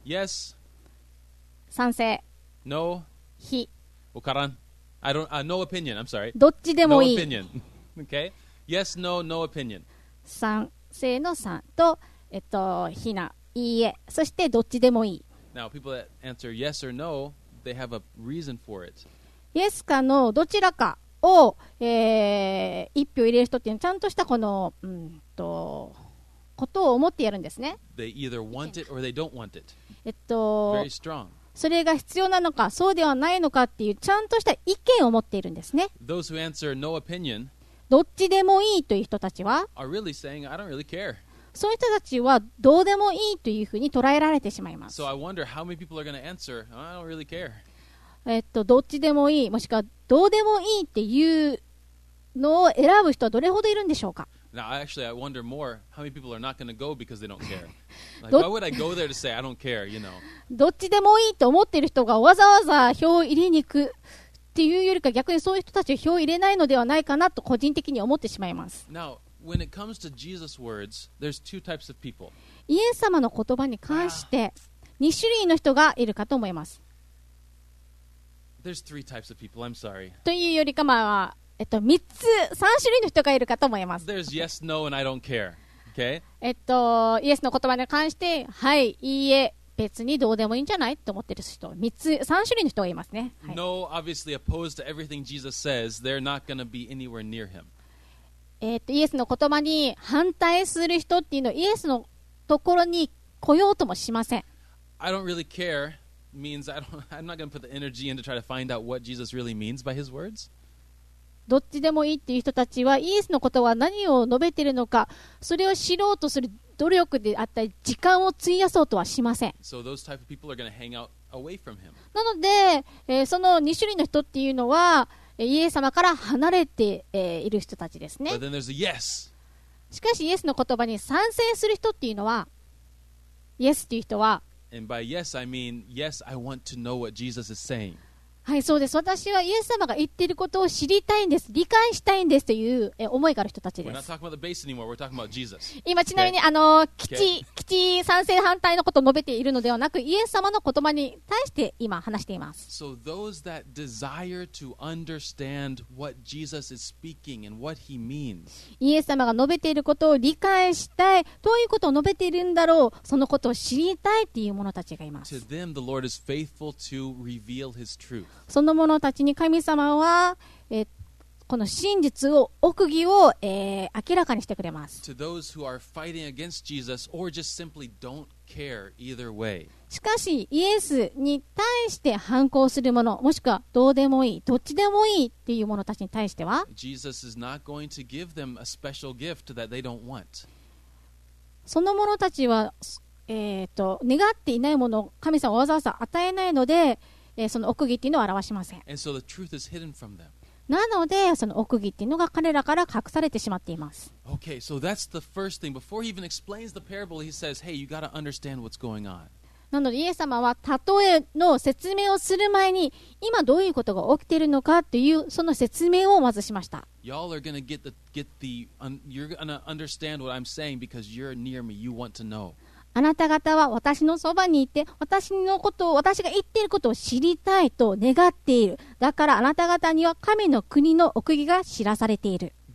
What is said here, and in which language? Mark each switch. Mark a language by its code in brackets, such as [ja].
[en] Yes. [ja] 賛成。 [en] No. [ja] 非。わからん。 [en] I don't, no opinion, I'm sorry. [ja] どっちでもいい。 [en] No opinion. Okay. Yes, no, no opinion. [ja] 賛成の3と、非な、いいえ、そしてどっちでもいい。 [en] Now, people that answer yes or no, they have a reason for it. [ja] Yes か no, どちらか。を、一票入れる人っていうのはちゃんとしたこの、ことを思ってやるんですね。 [en] They either want it or they don't want it. Very strong. [ja] それが必要なのかそうではないのかっていうちゃんとした意見を持っているんですね。 [en] Those who answer no opinion [ja] どっちでもいいという人たちは [en] are really saying, I don't really care. [ja] そういう人たちはどうでもいいというふうに捉えられてしまいます。 [en] So I wonder how many people are going to answer, I don't really care. [ja] どっちでもいいもしくはどうでもいいっていうのを選ぶ人はどれほどいるんでしょうか。 [en] Now, actually, I wonder more how many people are not going to go because they don't care. Like, why would I go there to say I don't care, you know? [ja] どっちでもいいと思ってる人がわざわざ票を入れに行くっていうよりか逆にそういう人たちは票を入れないのではないかなと個人的に思ってしまいます。 [en] Now, when it comes to Jesus' words, there's two types of people. [ja] イエス様の言葉に関して2種類の人がいるかと思います。 [en] There's three types of people. I'm sorry. [ja] というよりかまは、3種類の人がいるかと思います。 [en] There's yes, no, and I don't care. Okay? [ja] イエスの言葉に関して、はい、いいえ、別にどうでもいいんじゃないと思ってる人、3種類の人がいますね。はい、 [en] no, obviously opposed to everything Jesus says, they're not going to be anywhere near him. [ja] イエスの言葉に反対する人っていうのは、イエスのところに来ようともしません。 [en] I don't really care means I'm not going to put the energy in to try to find out what Jesus really means by his words. [ja] どっちでもいいっていう人たちは、イエスのことは何を述べているのか、それを知ろうとする努力であったり、時間を費やそうとはしません。 [en] So those type of people are going to hang out away from him. [ja] なので、その2種類の人っていうのは、イエス様から離れて、いる人たちですね。 [en] But then there's a yes. [ja] しかし、イエスの言葉に賛成する人っていうのは、イエスっていう人は、 [en] And by yes, I mean, yes, I want to know what Jesus is saying. [ja] はい、そうです。私はイエス様が言っていることを知りたいんです。理解したいんですという思いがある人たちです。 [en] We're not talking about the base anymore. We're talking about Jesus. [ja] 今、ちなみに、基地賛成反対のことを述べているのではなく、イエス様の言葉に対して今話しています。 [en] So those that desire to understand what Jesus is speaking and what he means. [ja] イエス様が述べていることを理解したい、どういうことを述べているんだろう、そのことを知りたいっていう者たちがいます。 [en] To them, the Lord is faithful to reveal his truth. [ja] その者たちに神様は、この真実を奥義を、明らかにしてくれます。しかしイエスに対して反抗する者、もしくはどうでもいい、どっちでもいいっていう者たちに対しては、その者たちは、願っていないものを神様はわざわざ与えないので、その奥義っていうのを表しません。 [en] And so the truth is hidden from them. [ja] なのでその奥義っていうのが彼らから隠されてしまっています。 [en] Okay, so that's the first thing. Before he even explains the parable, he says, hey, you got to understand what's going on. [ja] なのでイエス様は例えの説明をする前に、今どういうことが起きているのかっていうその説明をまずしました。 [en] Y'all are going to you're going to understand what I'm saying because you're near me. You want to know. [ja] あなた方は私のそばにいて、私のことを、私が言っていることを知りたいと願っている。だからあなた方には神の国の奥義が知らされている。